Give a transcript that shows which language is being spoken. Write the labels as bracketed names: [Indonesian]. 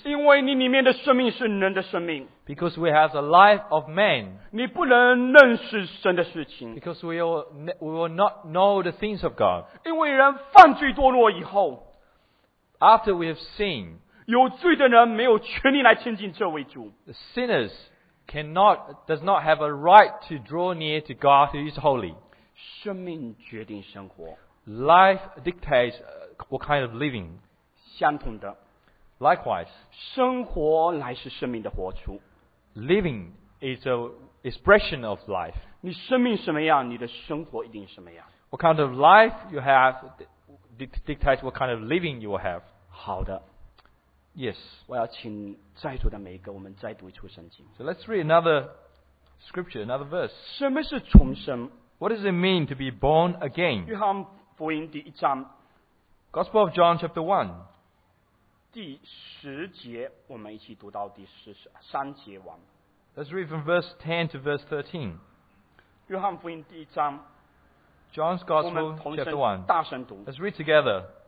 [Chinese] 因为你里面的生命是人的生命 [English] because we have the life of man, [Chinese] 你不能认识神的事情 [English] because we will not know the things of God, [Chinese] 因为人犯罪堕落以后 [English] after we have sinned, [Chinese] 有罪的人没有权利来亲近这位主 [English] the sinners does not have a right to draw near to God who is holy. [Chinese] 生命决定生活 [English] Life dictates what kind of living. [Chinese] 相同的 [English] Likewise, [Chinese] 生活乃是生命的活出 [English] Living is an expression of life. [Chinese] 你生命什么样，你的生活一定什么样。 [English] What kind of life you have dictates what kind of living you will have. [Chinese] 好的 [English] Yes. [Chinese] 我要请在座的每一个，我们再读一处圣经。 [English] So let's read another scripture, another verse. [Chinese] 什么是重生？ [English] What does it mean to be born again? [Chinese] 约翰福音第一章。 [English] Gospel of John chapter 1 [Chinese] 第十节我们一起读到第十三节完 [English] Let's read from verse 10 to verse 13 [Chinese] 约翰福音第一章 [English] John's Gospel chapter 1 [Chinese] 大声读 [English] Let's read together